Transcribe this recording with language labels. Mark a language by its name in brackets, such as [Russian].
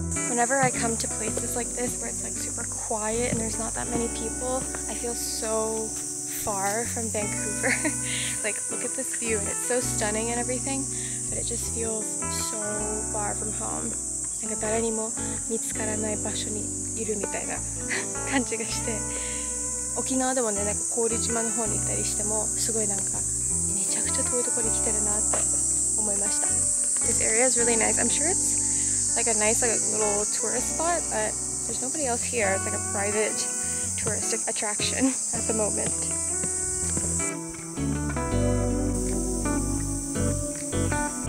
[English] Whenever I come to places like this where it's like super quiet and there's not that many people, I feel so far from Vancouver. Like, look at this view, and it's so stunning and everything, but it just feels so far from home. [Japanese] なんか誰にも見つからない場所にいるみたいな感じがして、沖縄でもね、なんか氷島の方に行ったりしても、すごいなんかめちゃくちゃ遠いところに来てるなって思いました。 [English] This area is really nice. I'm sure it's... like a nice like a little tourist spot, but there's nobody else here. It's like a private touristic attraction at the moment.